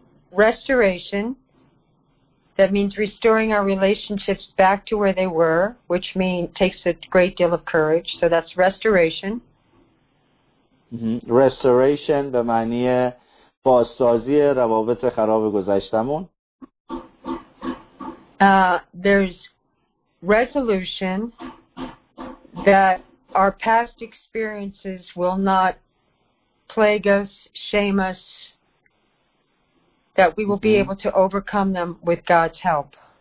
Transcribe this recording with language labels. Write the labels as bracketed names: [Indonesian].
[English] Restoration, that means restoring our relationships back to where they were, which takes a great deal of courage. So that's restoration. [Persian] restoration به معنی بازسازی روابط خراب گذشتمون. [English] There's resolution that our past experiences will not plague us, shame us, that we will be able to overcome them with God's help.